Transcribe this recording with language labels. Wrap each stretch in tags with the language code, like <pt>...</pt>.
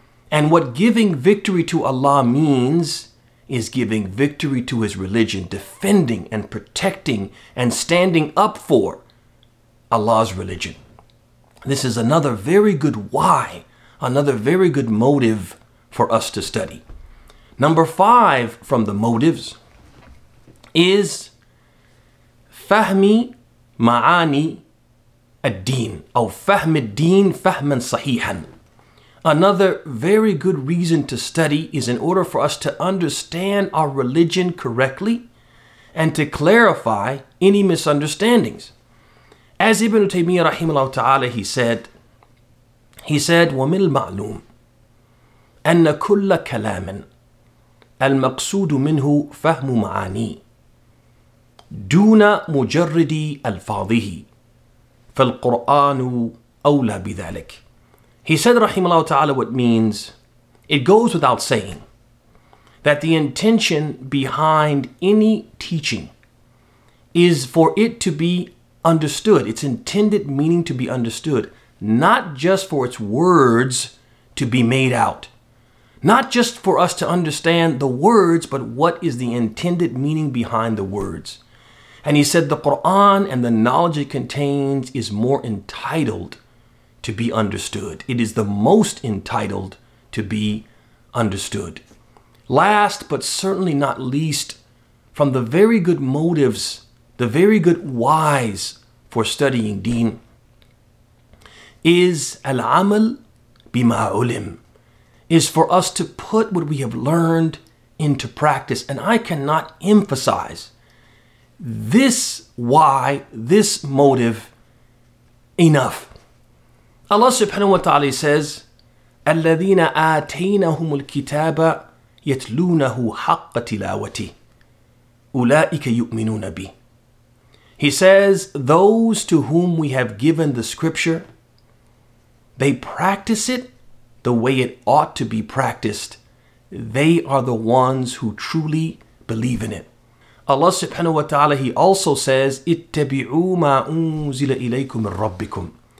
<en>And what giving victory to Allah means is giving victory to His religion, defending and protecting and standing up for Allah's religion. This is another very good why, another very good motive for us to study. Number five from the motives is</en> <ar>فهم معاني الدين أو فهم الدين فهما صحيحا.</ar> <en>Another very good reason to study is in order for us to understand our religion correctly and to clarify any misunderstandings. As Ibn Taymiyyah rahimahullah ta'ala, he said,</en> <ar>وَمِنْ الْمَعْلُومِ أَنَّ كُلَّ كَلَامٍ المقصود منه فهم معاني دون مجرد ألفاظه فالقرآن أولى بذلك.</ar> <en>He said</en> <ar>رحمه الله تعالى</ar> <en>what means, it goes without saying that the intention behind any teaching is for it to be understood, its intended meaning to be understood, not just for its words to be made out. Not just for us to understand the words, but what is the intended meaning behind the words. And he said, the Quran and the knowledge it contains is more entitled to be understood. It is the most entitled to be understood. Last, but certainly not least, from the very good motives, the very good whys for studying deen, is</en> <ar>al-amal bima ulim,</ar> <en>is for us to put what we have learned into practice. And I cannot emphasize this why, this motive enough. Allah subhanahu wa ta'ala says,</en> <ar>الَّذِينَ آتَيْنَهُمُ الْكِتَابَ يَتْلُونَهُ حَقَّ تِلَاوَتِي أُولَٰئِكَ يُؤْمِنُونَ بِهِ.</ar> <en>He says, those to whom we have given the scripture, they practice it the way it ought to be practiced. They are the ones who truly believe in it. Allah subhanahu wa ta'ala, he also says,</en> <ar>اتبعوا ما أنزل إليكم من ربكم.</ar>